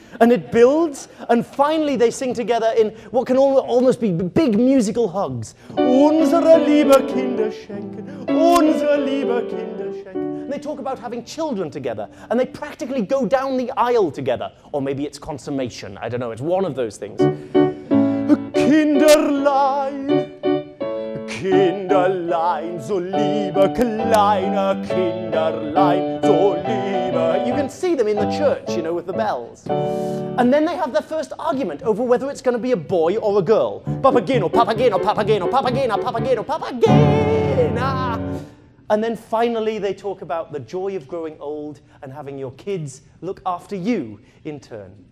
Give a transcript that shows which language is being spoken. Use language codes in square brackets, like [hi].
[en] And it builds, and finally they sing together in what can almost be big musical hugs. [de] Unsere liebe Kinder schenken, unsere liebe Kinder schenken. [en] And they talk about having children together, and they practically go down the aisle together. Or maybe it's consummation, I don't know, it's one of those things. [de] Kinderlein. Kinderlein, so liebe kleine Kinderlein, so liebe. [en] You can see them in the church, you know, with the bells. And then they have their first argument over whether it's going to be a boy or a girl. Papageno, Papageno, Papageno, Papagena, Papageno, Papagena. And then finally they talk about the joy of growing old and having your kids look after you in turn.